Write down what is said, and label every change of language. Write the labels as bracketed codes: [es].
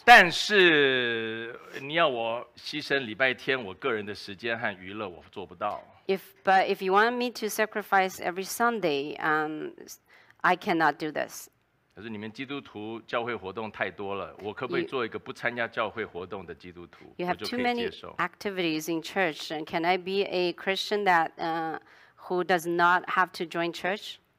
[zh] 但是你要我牺牲礼拜天我个人的时间和娱乐，我做不到。 [en] If you want me to sacrifice every Sunday, I cannot do this. [zh] 可是你们基督徒教会活动太多了，我可不可以做一个不参加教会活动的基督徒？ [en] You have too many activities in church, and can I be a Christian that who does not have to join church?